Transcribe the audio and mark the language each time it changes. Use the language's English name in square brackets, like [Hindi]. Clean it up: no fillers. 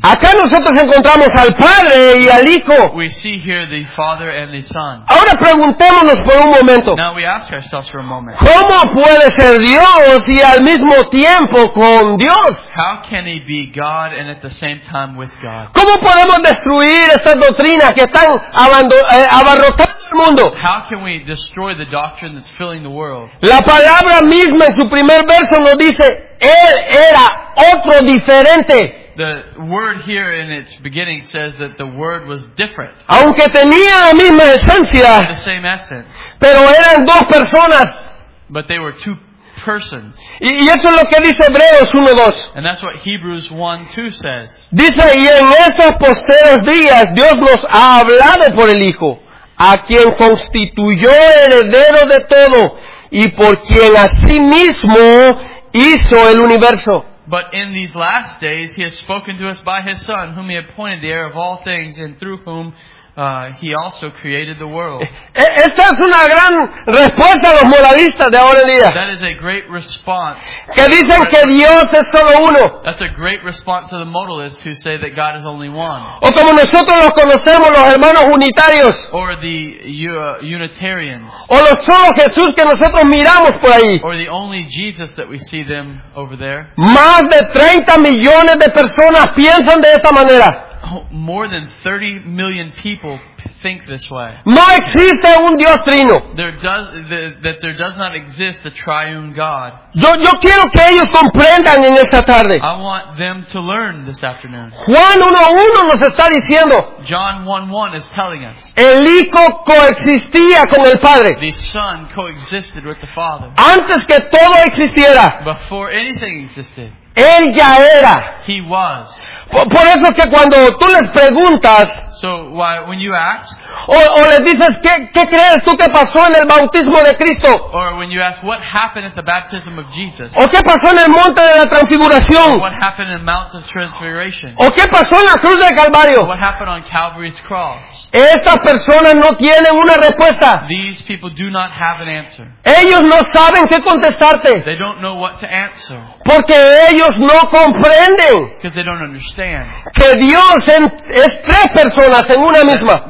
[Spanish] Acá nosotros encontramos al Padre y al Hijo. [English] We see here the Father and the Son. [Spanish] Ahora preguntémonos por un momento. [English] Now we ask ourselves for a moment. [Spanish] ¿Cómo puede ser Dios y al mismo tiempo con Dios? [English] How can he be God and at the same time with God? [Spanish] ¿Cómo podemos destruir estas doctrinas que están abarrotando el mundo? [English] How can we destroy the doctrine that's filling the world? [Spanish] La palabra misma en su primer verso nos dice, Él era otro diferente. [English] The word here in its beginning says that the word was different. [Spanish] Aunque tenía la misma esencia, [English] the same essence. [Spanish] Pero eran dos personas. [English] But they were two persons. [Spanish] Y eso es lo que dice Hebreos 1:2. [English] And that's what Hebrews 1:2 says. [Spanish] Dice, y en estos posteros días Dios nos ha hablado por el Hijo, a quien constituyó heredero de todo, y por quien a sí mismo hizo el universo. [English] But in these last days he has spoken to us by his Son, whom he appointed the heir of all things, and through whom he also created the world. [Spanish] Esta es una gran respuesta a los moralistas de ahora en día. [English] That is a great response. [Spanish] Que dicen que Dios es solo uno. [English] That's a great response to the modalists who say that God is only one. [Spanish] O como nosotros los conocemos, los hermanos unitarios. [English] Or the Unitarians. [Spanish] O los solo Jesús que nosotros miramos por ahí. [English] Or the only Jesus that we see them over there. [Spanish] Más de 30 millones de personas piensan de esta manera. [English] More than 30 million people think this way. [Spanish] No existe un Dios trino. [English] There does not exist a triune God. [Spanish] Yo quiero que ellos comprendan en esta tarde. [English] I want them to learn this afternoon. [Spanish] Juan 1:1 nos está diciendo. [English] John 1:1 is telling us. [Spanish] El Hijo coexistía con el Padre. [English] The Son coexisted with the Father. [Spanish] Antes que todo existiera. [English] Before anything existed. [Spanish] Él ya era. [English] He was. [Spanish] Por eso es que cuando tú les preguntas, [English] so, why, when you ask, [Spanish] o les dices, ¿qué crees tú que pasó en el bautismo de Cristo? [English] Or when you ask, what happened at the baptism of Jesus? [Spanish] ¿O qué pasó en el monte de la transfiguración? [English] What happened in the Mount of Transfiguration? [Spanish] ¿O qué pasó en la cruz del Calvario? [English] What happened on Calvary's cross? [Spanish] Estas personas no tienen una respuesta. [English] These people do not have an answer. [Spanish] Ellos no saben qué contestarte. [English] They don't know what to answer. [Spanish] Porque ellos no comprenden. [English] Because they don't understand. [Spanish] Que Dios es tres personas en una misma.